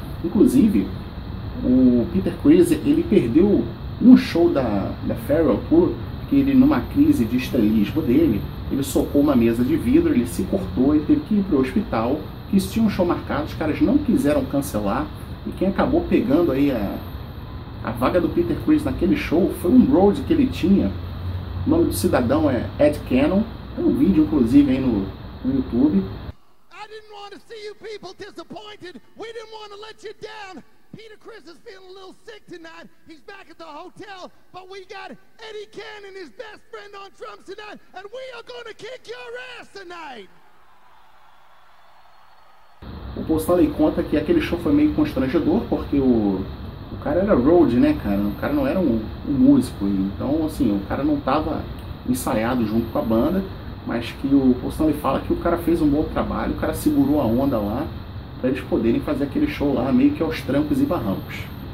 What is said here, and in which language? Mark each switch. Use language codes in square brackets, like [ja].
[pt] Inclusive, o Peter Criss, ele perdeu um show da Farewell Tour, que ele, numa crise de estrelismo dele, ele socou uma mesa de vidro, ele se cortou e teve que ir para o hospital, que tinha um show marcado, os caras não quiseram cancelar, e quem acabou pegando aí a vaga do Peter Criss naquele show foi um road que ele tinha. O nome do cidadão é Ed Cannon. Tem um vídeo, inclusive, aí no YouTube. [en] I didn't want to see you people disappointed. We didn't want to let you down. Peter Criss is feeling a little sick tonight. He's back at the hotel, but we got Eddie Cannon, his best friend, on drums tonight, and we are going to kick your ass tonight. [pt] O Paul Stanley conta que aquele show foi meio constrangedor, porque o cara era road, né, cara? O cara não era um músico, então, assim, o cara não tava ensaiado junto com a banda, mas que o Paul Stanley fala que o cara fez um bom trabalho, o cara segurou a onda lá para eles poderem fazer aquele show lá, meio que aos trancos e barrancos.